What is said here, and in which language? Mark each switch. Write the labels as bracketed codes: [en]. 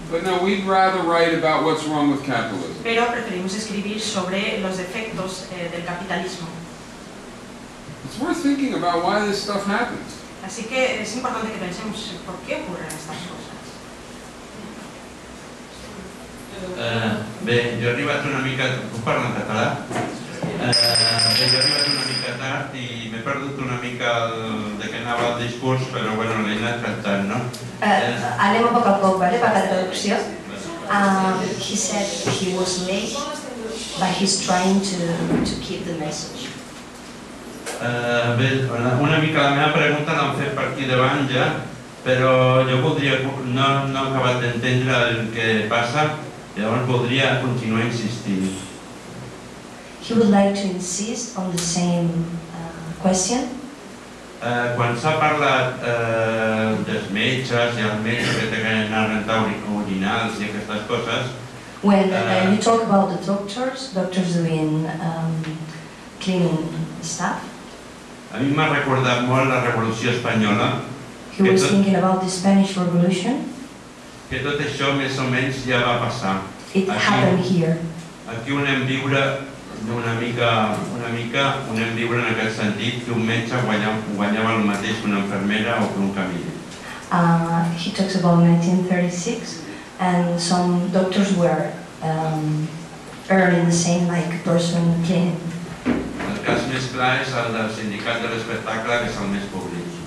[en] But no, we'd rather write about what's wrong with capitalism. [es] Pero preferimos escribir sobre los defectos del capitalismo. [en] It's worth thinking about why this stuff happens. [es] Así que es importante que pensemos por qué ocurren estas cosas. [ca] Bé, jo arribo a fer una mica... Puc parlar en català? Bé, jo arribo a fer una mica tard i m'he perdut una mica de què anava el discurs, però bueno, l'he anat tractant, no? Anem a poc a poc, vale? Per la traducció. [en] He said he was late, but he's trying to keep the message. [ca] Bé, una mica la meva pregunta l'han fet per aquí davant ja, però jo voldria, no he acabat d'entendre el que passa, llavors voldria continuar insistint. [en] He would like to insist on the same question. [ca] Quan s'ha parlat dels metges i els metges que tenen a rentar urinals i aquestes coses... [en] When you talk about the doctors doing cleaning stuff, [ca] a mi m'ha recordat molt la Revolució Espanyola. [en] He was thinking about the Spanish Revolution. [ca] Que tot això més o menys ja va passar. [en] It happened here. [ca] Aquí ho anem viure una mica, ho anem viure en aquest sentit, que un metge guanyava el mateix que una infermera o que un camiller. [en] He talks about 1936 and some doctors were earning the same like person cleaning. [ca] El cas més clar és el del sindicat de l'espectacle, que és el més públic.